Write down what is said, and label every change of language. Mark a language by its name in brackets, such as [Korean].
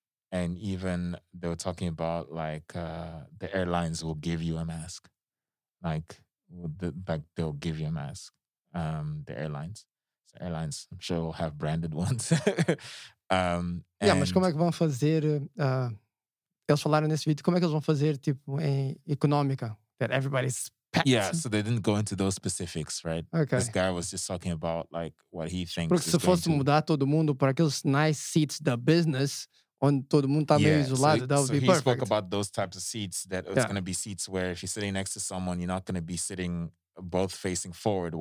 [English] And even they were talking about like the airlines will give you a mask. Like they'll give you a mask, the airlines. So airlines, I'm sure, will have branded ones. [Portuguese] mas como é que vão fazer? Eles falaram nesse vídeo, como é que eles vão fazer, tipo, em econômica? [English] That everybody's packed. Yeah, so they didn't go into those specifics, right? Okay. This guy was just talking about like what he thinks. [Portuguese] Porque se fosse mudar todo mundo para aqueles [English] nice seats [Portuguese] da business, onde todo mundo está meio isolado, [English] that would be perfect. So he spoke about those types of seats, that it's going to be seats where if you're sitting next to someone, you're not going to be sitting both facing forward.